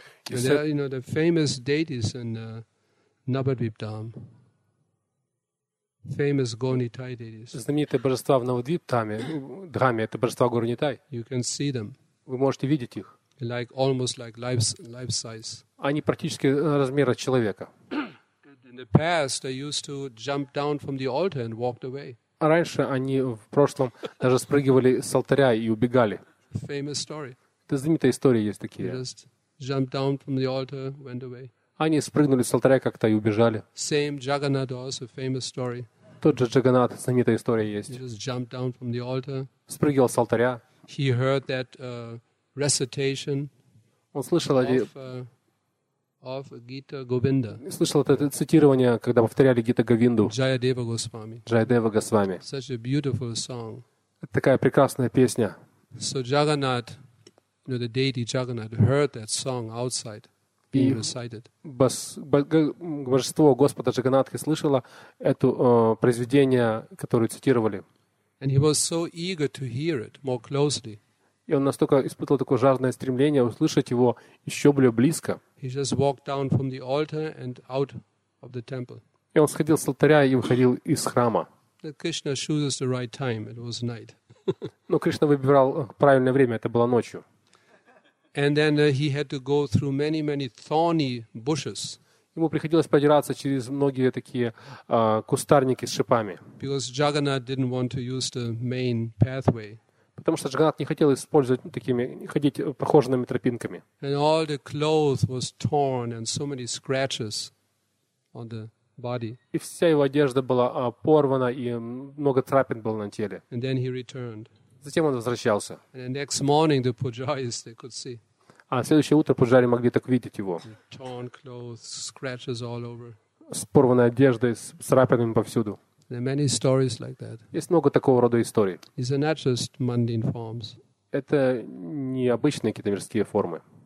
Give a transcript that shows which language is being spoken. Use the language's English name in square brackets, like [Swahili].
[English] You know, the famous deities in Navadvip Dham. Famous Gaur-Nitai deities. [Russian] Знаменитые божества в Навадвип Дхаме, это божества Гаур-Нитай. [English] You can see them. [Russian] Вы можете видеть их. [English] Like almost like life size. [Russian] Они практически размера человека. [English] In the past, they used to jump down from the altar and walked away. [Russian] Раньше они в прошлом даже спрыгивали с алтаря и убегали. [English] Famous story. [Russian] Это знаменитая история есть такие. [English] Just jumped down from the altar, went away. [Russian] Они спрыгнули с алтаря как-то и убежали. [English] Same Jagannath also famous story. [Russian] Тот же Джаганнат, знаменитая история есть. [English] He just jumped down from the altar. [Russian] Спрыгивал с алтаря. [English] He heard that recitation. [Russian] Он слышал [English] of Gita Govinda. [Russian] Слышал это цитирование, когда повторяли Гита Говинду. [English] Jayadeva Goswami. [Russian] Jayadeva Goswami. [English] Such a beautiful song. [Russian] Это такая прекрасная песня. [English] So Jagannath, you know, the deity Jagannath heard that song outside being recited. [Russian] Божество Господа Джаганнатхи слышало это произведение, которое цитировали. [English] And he was so eager to hear it more closely. [Russian] И он настолько испытывал такое жаждное стремление услышать его еще более близко. [English] He just walked down from the altar and out of the temple. [Russian] И он сходил с алтаря и выходил из храма. [English] Krishna chooses the right time. It was night. [Russian] Но Кришна выбирал правильное время. Это было ночью. [English] And then he had to go through many, many thorny bushes. [Russian] Ему приходилось продираться через многие такие кустарники с шипами. [English] Because Jagannath didn't want to use the main pathway. [Russian] Потому что Джаганнат не хотел использовать такими, ходить похожими тропинками. [English] And all the clothes was torn and so many scratches on the body. [Russian] И вся его одежда была порвана и много царапин было на теле. [English] And then he returned. [Russian] Затем он возвращался. [English] And the next morning the pujaris they could see. [Russian] А следующее утро пуджари могли так видеть его. [English] Torn clothes, scratches all over. [Russian] С порванной одеждой, с царапинами повсюду. [English] There are many stories like that. [Russian] Есть много такого рода историй. [English] These are not just mundane forms. [Russian] Это не обычные какие-то мирские формы.